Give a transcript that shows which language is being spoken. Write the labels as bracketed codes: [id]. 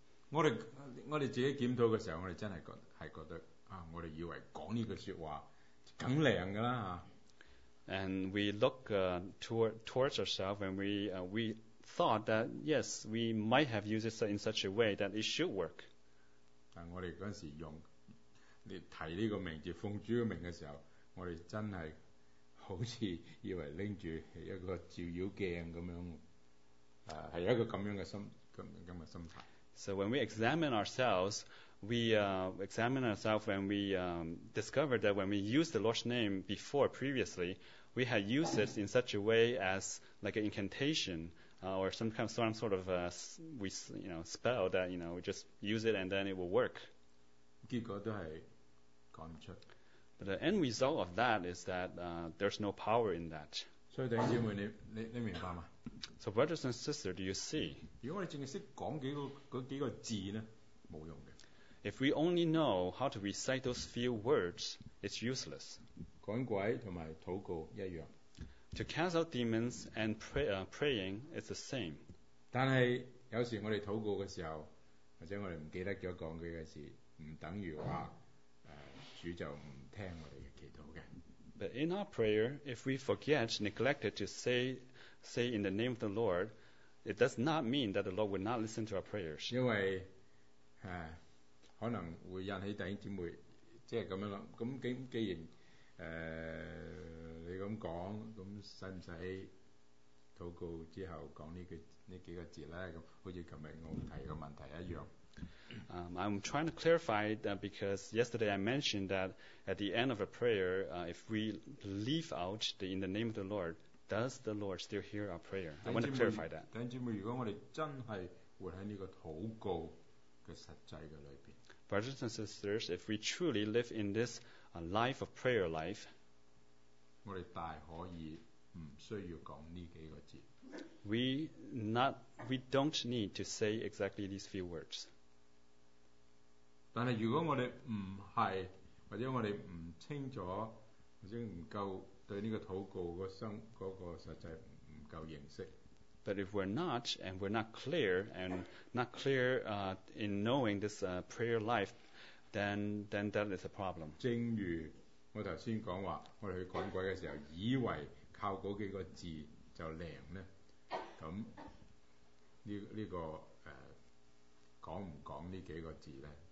[yue] 我哋自己檢討嘅時候，我哋真係覺得啊，我哋以為講呢句説話。梗靈㗎啦 [en] ！And we look towards ourselves, and we thought that yes, we might have used it in such a way that it should work. [yue] 但我哋嗰陣時用你提呢個名字奉主嘅名嘅時候，我哋真係好似以為拎住一個照妖鏡咁樣，係一個咁樣嘅心態。 [en] So when we examine ourselves, we examine ourselves and we discover that when we used the Lord's name before, previously, we had used it in such a way as like an incantation or some sort of spell that we just use it and then it will work. [yue] 結果都係講唔出。 [en] But the end result of that is that there's no power in that. [yue] 所以弟兄姊妹，你明白嗎？ [en] So brothers and sisters, do you see? [yue] 如果我哋淨係識講幾個字咧，冇用嘅。 [en] If we only know how to recite those few words, it's useless. [yue] 趕鬼同埋禱告一樣。 [en] To cast out demons and praying is the same. [yue] 但係有時我哋禱告嘅時候，或者我哋唔記得咗講幾個字，唔等於話主就唔聽我哋嘅祈禱嘅。 [en] But in our prayer, if we forget, neglected to say in the name of the Lord, it does not mean that the Lord will not listen to our prayers. [yue] 因為可能會引起弟兄姊妹即係咁樣啦。咁既然你咁講，咁使唔使禱告之後講呢幾個字咧？咁好似琴日我提個問題一樣。 [en] I'm trying to clarify that because yesterday I mentioned that at the end of a prayer, if we leave out the in the name of the Lord, does the Lord still hear our prayer? I want to clarify that. [yue] 弟兄姊妹，如果我哋真係活喺呢個禱告嘅實際嘅裏邊 [en] ，Brothers and sisters, if we truly live in this life of prayer life, [yue] 我哋大可以唔需要講呢幾個字。 [en] We don't need to say exactly these few words. [yue] 但係如果我哋唔係，或者我哋唔清楚，或者唔夠對呢個禱告個生嗰個實際唔夠認識。 [en] But if we're not and we're not clear and not clear in knowing this prayer life, then that is a problem. [yue] 正如我頭先講話，我哋去趕鬼嘅時候，以為靠嗰幾個字就靈咧，咁呢個講唔講呢幾個字咧？